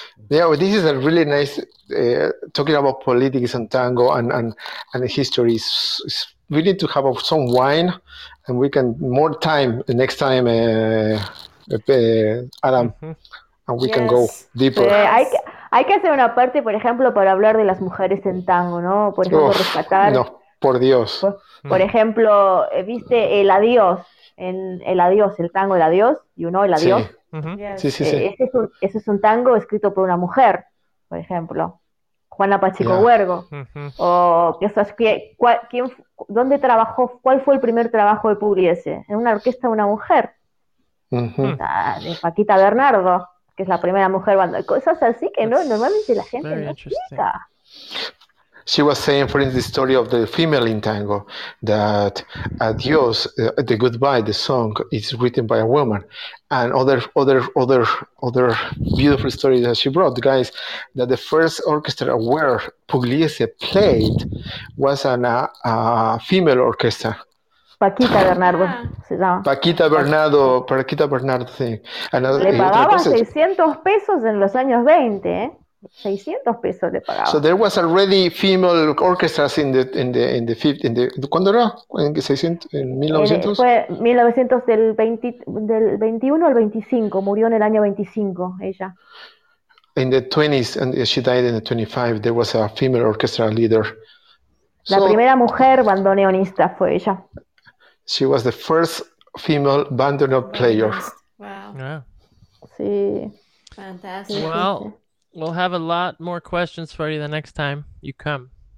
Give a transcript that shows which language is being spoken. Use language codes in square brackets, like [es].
[en] Yeah, well, this is a really nice talking about politics and tango and history. We need to have some wine, and we can more time next time, Adam, and we can go deeper. Yeah, I, [es] Hay que hacer una parte, por ejemplo, para hablar de las mujeres en tango, ¿no? Por ejemplo, uf, rescatar. No, por Dios. Por ejemplo, ¿viste el adiós? En el adiós, el tango del adiós, you know, el adiós. Sí, uh-huh. Yes. Sí, sí, sí. Ese es un tango escrito por una mujer, por ejemplo. Juana Pacheco Huergo. Yeah. Uh-huh. O que quién, ¿dónde trabajó? ¿Cuál fue el primer trabajo de Pugliese? En una orquesta de una mujer. Uh-huh. De Paquita Bernardo, que es la primera mujer cuando hay cosas así que no, normalmente la gente no explica. [en] She was saying, for instance, the story of the female in tango, that adios, the goodbye, the song is written by a woman, and other beautiful stories that she brought. Guys, that the first orchestra where Pugliese played was a female orchestra. [es] Paquita Bernardo, yeah. Se llama. Paquita Bernardo, sí. Le pagaban 600 pesos en los años 20, ¿eh? 600 pesos le pagaba. [en] So there was already female orchestras in the 50, in the, ¿cuándo era? [es] ¿En 600? ¿En 1900? Fue 1900 del 20, del 21 al 25, murió en el año 25 ella. [en] In the 20s, and she died in the 25, there was a female orchestra leader. [es] La primera mujer bandoneonista fue ella. [en] She was the first female bandoneon player. Wow. Yeah. Sí. Fantastic. Well, we'll have a lot more questions for you the next time you come.